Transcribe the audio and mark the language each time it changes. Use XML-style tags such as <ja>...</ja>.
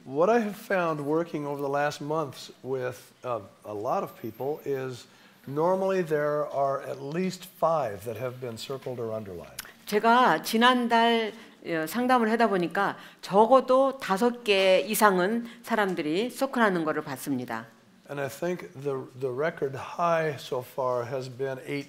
<en>What I have found working over the last months with a lot of people is normally there are at least five that have been circled or underlined.</en> <ko>제가 지난달 상담을 하다 보니까 적어도 다섯 개 이상은 사람들이 소크라는 것을 봤습니다.</ko> <en>And I think the record high so far has been</en>